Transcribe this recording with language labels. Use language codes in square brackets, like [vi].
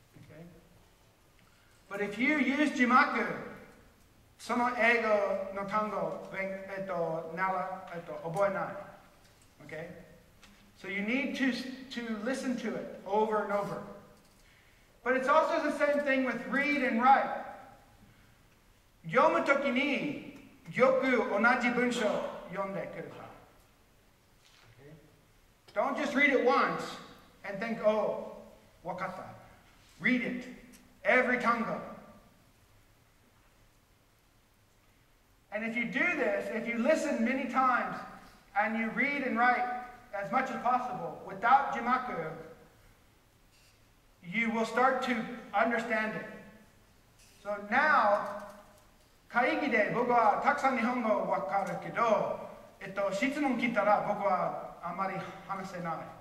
[ja] Okay? [en] But if you use [ja] 字幕、その英語の単語を覚えない。Okay? [en] So you need to listen to it over and over. But it's also the same thing with read and write. [ja] 読むときによく同じ文章読んでください。 [en] Okay? Don't just read it once and think, oh, わかった。 Read it every 単語。 And if you do this, if you listen many times and you read and write as much as possible without 字幕, you will start to understand it. [ja] So now, 会議で僕はたくさん日本語わかるけど、質問聞いたら僕はあまり話せない。